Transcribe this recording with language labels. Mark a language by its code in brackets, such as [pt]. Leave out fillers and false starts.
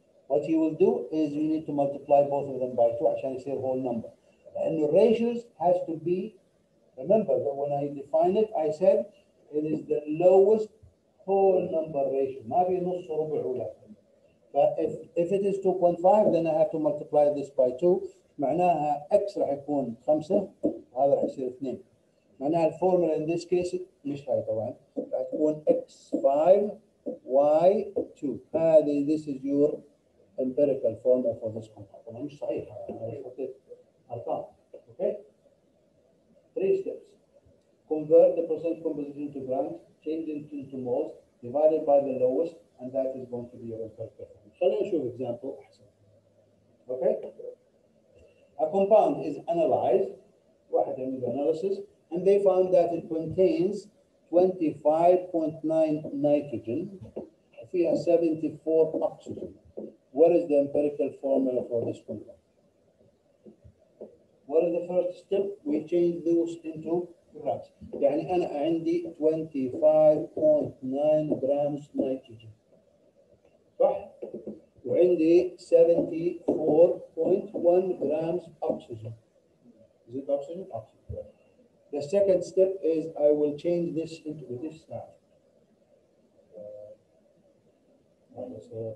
[en] What you will do is you need to multiply both of them by 2 [ar] عشان يصير [en] whole number. And the ratios has to be, remember that when I define it, I said it is the lowest whole number ratio. [ar] ما في نص ربع ولا. [en] But if it is 2.5, then I have to multiply this by 2. [ar] معناها x راح يكون 5 وهذا راح يصير 2. معناها الفورمولا [en] in this case [ar] مش هاي طبعا. راح تكون x5y2. هذه [en] this is your empirical formula for this compound. [ar] طبعا مش صحيح. أرقام. [en] Okay? Three steps. Convert the percent composition to grams, change it into moles, divided by the lowest, and that is going to be your empirical formula. [ar] خلينا نشوف [en] example [ar] أحسن. [en] Okay? A compound is analyzed, [ar] واحد عمل [en] analysis, and they found that it contains 25.9 nitrogen, [ar] فيها [en] 74 oxygen. What is the empirical formula for this compound? What is the first step? We change those into grams. [ar] يعني أنا عندي 25.9 grams nitrogen. صح؟ وعندي [en] 74.1 grams oxygen. Is it oxygen? Oxygen. The second step is I will change this into this now. Five minutes.